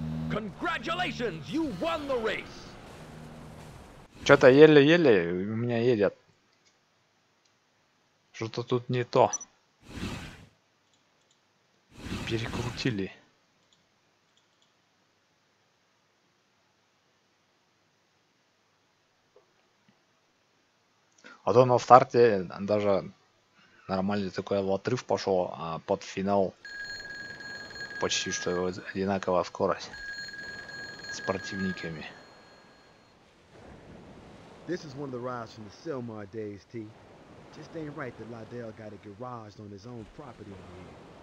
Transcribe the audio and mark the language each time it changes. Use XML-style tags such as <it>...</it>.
<en>Congratulations, you won the race.</en> <ru>Что-то еле-еле у меня едет. Что-то тут не то. Перекрутили. А то на старте даже нормальный такой отрыв пошел, а под финал почти что одинаковая скорость с противниками.</ru> <en>This is one of the rides from the Selmar days, T. Just ain't right that Liddell got a garage on his own property over here.</en>